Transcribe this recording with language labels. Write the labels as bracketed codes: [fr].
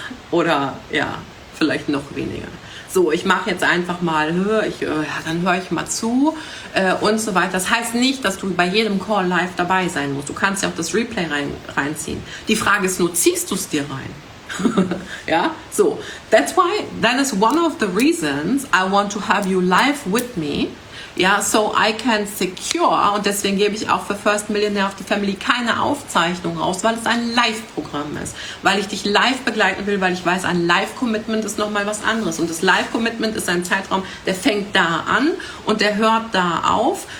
[de] Oder, ja, vielleicht noch weniger. So, ich mache jetzt einfach mal, dann höre ich mal zu und so weiter. Das heißt nicht, dass du bei jedem Call live dabei sein musst. Du kannst ja auch das Replay reinziehen. Die Frage ist nur, ziehst du es dir rein? Ja, so. [en] That's why, that is one of the reasons I want to have you live with me. [de] Ja, [en] so I can secure, [de] und deswegen gebe ich auch für First Millionaire of the Family keine Aufzeichnung raus, weil es ein Live-Programm ist. Weil ich dich live begleiten will, weil ich weiß, ein Live-Commitment ist nochmal was anderes. Und das Live-Commitment ist ein Zeitraum, der fängt da an und der hört da auf.